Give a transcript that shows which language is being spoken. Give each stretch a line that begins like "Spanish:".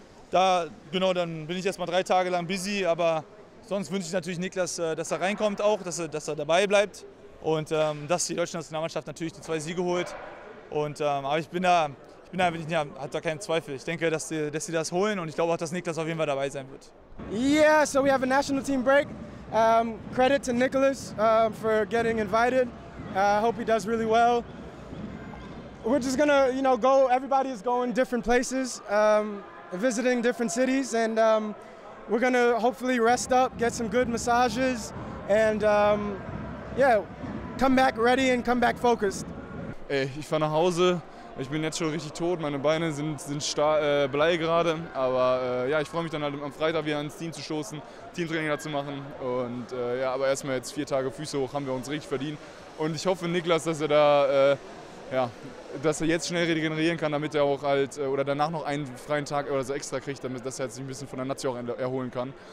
German: Da, genau, dann bin ich erstmal 3 Tage lang busy, aber sonst wünsche ich natürlich Niklas, dass er reinkommt auch, dass er dabei bleibt und dass die deutsche Nationalmannschaft natürlich die 2 Siege holt. Und, aber ich hat da keinen Zweifel. Ich denke, dass sie das holen und ich glaube auch, dass Niklas auf jeden Fall dabei sein wird.
English: Yeah, so we have a national team break. Credit to Niklas for getting invited. I hope he does really well. We're just gonna, you know, go. Everybody is going different places, visiting different cities, and we're gonna hopefully rest up, get some good massages, and come back ready and come back focused.
German: Ich fahre nach Hause, Ich bin jetzt schon richtig tot, meine Beine sind blei gerade. Aber ja, ich freue mich dann halt am Freitag wieder ins Team zu stoßen, Teamtraining da zu machen. Und ja, aber erstmal jetzt 4 Tage Füße hoch, haben wir uns richtig verdient. Und ich hoffe, Niklas, dass er da, ja, dass er jetzt schnell regenerieren kann, damit er auch halt, oder danach noch einen freien Tag oder so extra kriegt, damit dass er sich ein bisschen von der Nazi auch erholen kann.